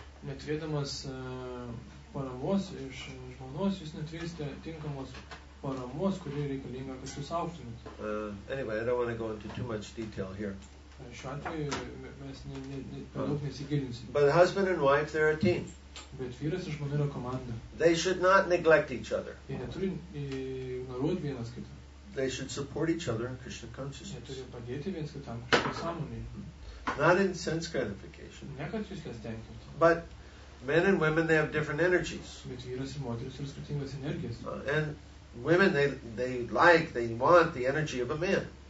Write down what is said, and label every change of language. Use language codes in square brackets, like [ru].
[lt] Neturėdamas paramos iš žmonos, jūs neturėsite tinkamos paramos, kuri reikalinga, kad jūs augtumėt. [en] Anyway, I don't want to go into too much detail here. [lt] Šiuo atveju mes per daug nesigilinsim. [en] But husband and wife, they're a team. [lt] Bet vyras ir žmona yra komanda. [en] They should not neglect each other. [lt] Jie neturi ignoruoti vienas kitą. [en] They should support each other in Krishna consciousness. [lt] Jie turi padėti vienas kitam Krishna sąmonėje. [en] Not in sense gratification. [lt] Ne kad jūs jas tenkintų. [en] But men and women, they have different energies. [lt] Bet vyras ir moteris yra skirtingos energijos. [en] And women, they like, they want the energy of a man.